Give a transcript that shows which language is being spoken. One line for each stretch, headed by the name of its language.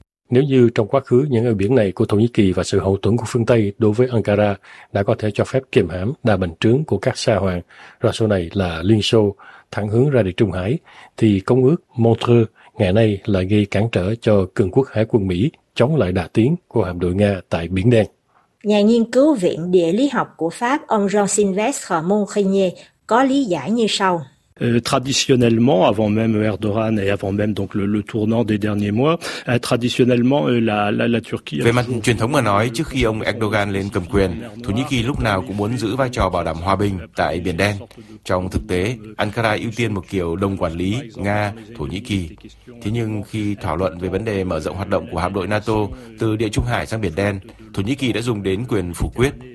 Vietnamese: Nếu như trong quá khứ những eo biển này của Thổ Nhĩ Kỳ và sự hậu thuẫn của phương Tây đối với Ankara đã có thể cho phép kiềm hãm đà bành trướng của các sa hoàng, rồi sau này là Liên Xô thẳng hướng ra Địa Trung Hải, thì Công ước Montreux ngày nay lại gây cản trở cho cường quốc hải quân Mỹ chống lại đà tiến của hạm đội Nga tại Biển Đen. Nhà nghiên cứu Viện Địa lý học của Pháp, ông Jean-Sylvestre Monchigné, có lý giải như sau.
French: Traditionnellement, avant même Erdogan et avant même donc le tournant des derniers mois, traditionnellement la Turquie.
Vietnamese: Về mặt truyền thống mà nói, trước khi ông Erdogan lên cầm quyền, Thổ Nhĩ Kỳ lúc nào cũng muốn giữ vai trò bảo đảm hòa bình tại Biển Đen. Trong thực tế, Ankara ưu tiên một kiểu đồng quản lý Nga Thổ Nhĩ Kỳ. Thế nhưng khi thảo luận về vấn đề mở rộng hoạt động của hạm đội NATO từ Địa Trung Hải sang Biển Đen, Thổ Nhĩ Kỳ đã dùng đến quyền phủ quyết.